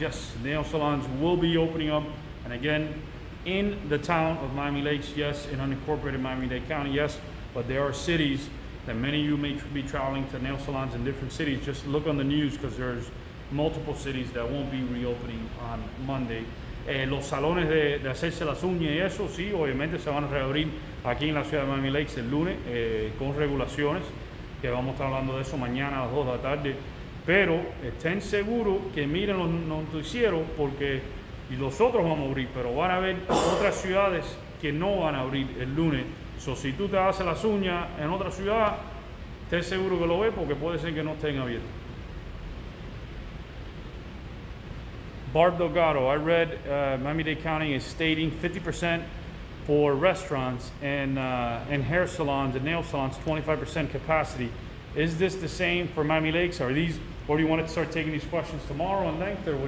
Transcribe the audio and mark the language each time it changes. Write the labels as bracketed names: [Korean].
[English] Yes, nail salons will be opening up, and again, in the town of Miami Lakes, yes, in unincorporated Miami-Dade County, yes, but there are cities that many of you may be traveling to nail salons in different cities. Just look on the news, because there's multiple cities that won't be reopening on Monday. [Spanish] Los salones de hacerse las uñas y eso, sí, obviamente se van a reabrir aquí en la ciudad de Miami Lakes el lunes con regulaciones, que vamos a estar hablando de eso mañana a las 2 de la tarde. Pero estén seguros que miren los noticieros, porque los otros vamos a abrir, pero van a haber otras ciudades que no van a abrir el lunes. So, si tú te haces las uñas en otra ciudad, estés seguro que lo ves, porque puede ser que no estén abiertos. [English] Barb Delgado, I read Miami-Dade County is stating 50% for restaurants and hair salons and nail salons, 25% capacity. Is this the same for Miami Lakes? Or do you want to start taking these questions tomorrow in length?